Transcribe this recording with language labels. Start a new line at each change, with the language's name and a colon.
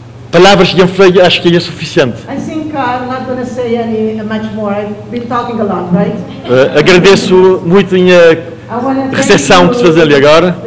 Portuguese: Palavras que eu falei, acho que é suficiente.
English: I think I'm not going to say any much more. I've been talking a lot, right?
Portuguese: Agradeço muito a recepção que se faz ali agora.